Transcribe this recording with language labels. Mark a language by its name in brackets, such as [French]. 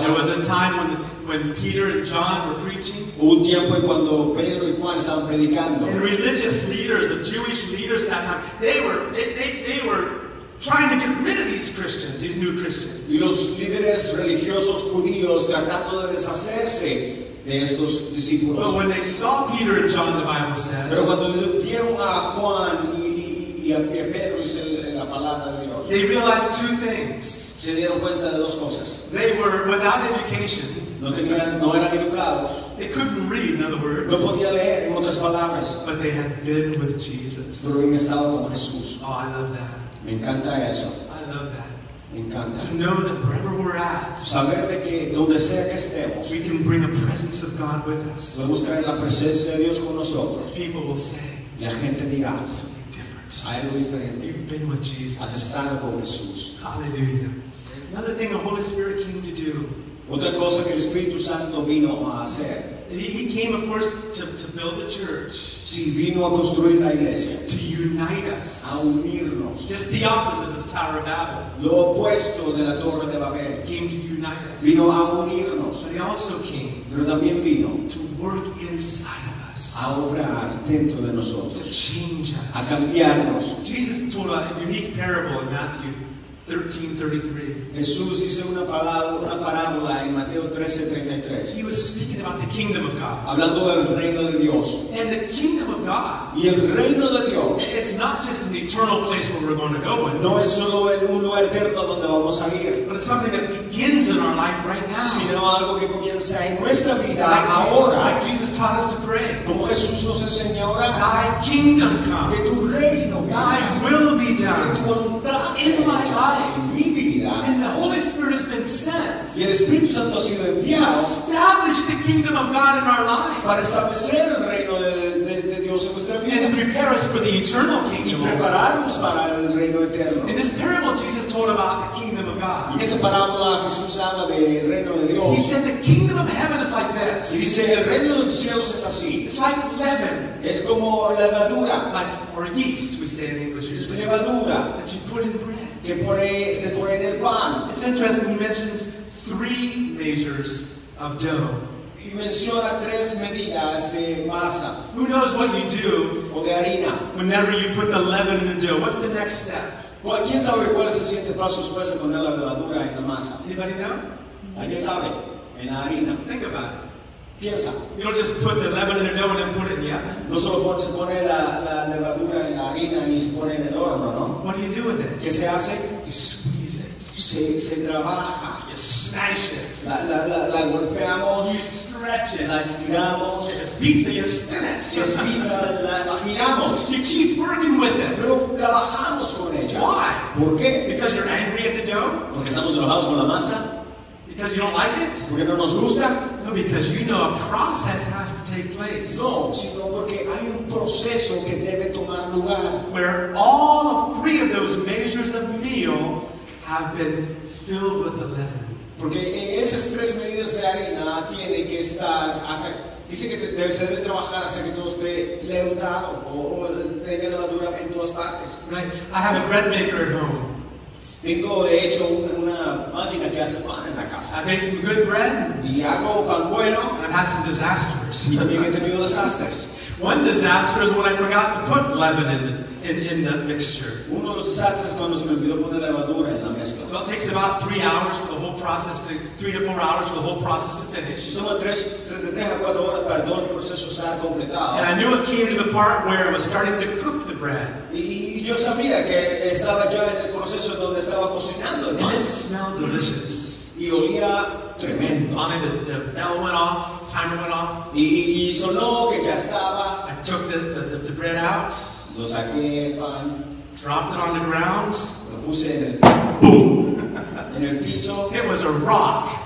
[English] There was a time when Peter and John were preaching. [Spanish] Hubo un tiempo cuando Pedro y Juan estaban predicando. [English] And religious leaders, the Jewish leaders at that time, they were trying to get rid of these Christians, these new Christians. [Spanish] Y los líderes religiosos judíos tratando de deshacerse de estos discípulos. [English] But when they saw Peter and John, the Bible says. [Spanish] Pero cuando vieron a Juan y a Pedro, dice la palabra de Dios. [English] They realized two things. [Spanish] Se dieron cuenta de dos cosas. [English] They were without education. [Spanish] No eran educados. [English] They couldn't read, in other words. [Spanish] No podían leer, en otras palabras. [English] But they had been with Jesus. [Spanish] Pero habían estado con Jesús. [English] Oh, I love that. [Spanish] Me encanta eso. [English] I love that. [Spanish] Me encanta. [English] To know that wherever we're at, [Spanish] saber de que donde sea que estemos, [English] we can bring the presence of God with us. [Spanish] Podemos traer la presencia de Dios con nosotros. [English] People will say, [Spanish] la gente dirá, [English] something different. [Spanish] Hay algo diferente. [English] You've been with Jesus. [Spanish] Has estado con Jesús. [English] Hallelujah. Another thing the Holy Spirit came to do. [Spanish] Otra cosa que el Espíritu Santo vino a hacer. [English] He came, of course, to build the church. [Spanish] Sí, vino a construir la iglesia. [English] To unite us. [Spanish] A unirnos. [English] Just the opposite of the Tower of Babel. [Spanish] Lo opuesto de la Torre de Babel. [English] Came to unite us. [Spanish] Vino a unirnos. [English] But he also came. [Spanish] Pero también vino. [English] To work inside of us. [Spanish] A obrar dentro de nosotros. [English] To change us. [Spanish] A cambiarnos. [English] Jesus told a unique parable in Matthew 13:33. [Spanish] Jesús hizo una parábola en Mateo 13:33. [English] He was speaking about the kingdom of God. [Spanish] Hablando del reino de Dios. [English] And the kingdom of God. [Spanish] Y el reino de Dios. [English] It's not just an eternal place where we're going to go. [Spanish] No es solo el mundo eterno donde vamos a ir. [English] But it's something that begins in our life right now. [Spanish] Sino algo que comienza en nuestra vida ahora. [English] Like Jesus taught us to pray. [Spanish] Como Jesús nos enseñó ahora. [English] Thy kingdom come. [Spanish] Que tu reino venga. [English] Thy will be done. [Spanish] Que tu voluntad [English] in my life. [Spanish] Mi vida. [English] And the Holy Spirit has been sent. [Spanish] Y el Espíritu Santo ha sido enviado. [English] To establish the kingdom of God in our life. [Spanish] Para establecer el reino de Dios en nuestra vida. [English] And prepare us for the eternal kingdom. [Spanish] Y prepararnos para el reino eterno. [English] In this parable, Jesus told about the kingdom of God. [Spanish] Y esa parábola Jesús habla del reino de Dios. [English] He said the kingdom of heaven is like this. [Spanish] Y dice el reino de los cielos es así. [English] It's like leaven. [Spanish] Es como levadura. [English] Like or yeast, we say in English usually. [Spanish] Levadura. [English] That you put in bread. [Spanish] Que pone en el pan. [English] It's interesting, he mentions three measures of dough. [Spanish] Y menciona tres medidas de masa. [English] Who knows what you do [Spanish] o de harina. [English] Whenever you put the leaven in the dough? What's the next step? [Spanish] Well, ¿quién sabe cuál es el siguiente paso después de poner la levadura en la masa? [English] Anybody know? [Spanish] ¿Alguien sabe? En la harina. [English] Think about it. [Spanish] Piensa. [English] You don't just put the leaven in the dough and then put it in, yeah? [Spanish] No solo pone, se pone la levadura en la harina y se pone en el horno, ¿no? [English] What do you do with it? [Spanish] ¿Qué se hace? [English] You squeeze it. [Spanish] Se trabaja. [English] You smash it. [Spanish] La golpeamos. [English] You stretch it. [Spanish] La estiramos. [English] If it's pizza, you spin it. [Spanish] Si es pizza, la giramos. [English] You keep working with it. [Spanish] Pero trabajamos con ella. [English] Why? [Spanish] ¿Por qué? [English] Because you're angry at the dough? [Spanish] Porque estamos enojados con la masa. [English] Because you don't like it? [Spanish] Porque no nos gusta. [English] No, because you know a process has to take place. [Spanish] No, sino porque hay un proceso que debe tomar lugar. [English] Where all of three of those measures of meal have been filled with the leaven. [Spanish] Porque en esas tres medidas de harina tiene que estar, dice que se debe trabajar hasta que todo esté leudado o tenga levadura en todas partes. [English] Right. I have a bread maker at home. [Spanish] Tengo hecho una máquina que hace pan en la casa. [English] I made some good bread. [Spanish] Y hago pan bueno. [English] And I've had some disasters. [Spanish] Y también he tenido desastres. [English] One disaster is when I forgot to put leaven in the mixture. [Spanish] Uno de los desastres es cuando se me olvidó poner levadura en la mezcla. [English] Well, it takes about 3 hours for the whole process to 3 to 4 hours for the whole process to finish. [Spanish] Toma tres a cuatro horas, perdón, el proceso se ha completado. [English] And I knew it came to the part where I was starting to cook the bread. [Spanish] Y yo sabía que estaba ya en el proceso donde estaba cocinando. [English] And it smelled delicious. [Spanish] Y olía tremendo. [English] Finally, the bell went off, timer went off. [Spanish] Y sonó que ya estaba. [English] I took the bread out. [Spanish] Lo saqué el pan. [English] Dropped it on the ground. [Spanish] Lo puse en el. [English] Boom! [Spanish] En el piso. [English] It was a rock.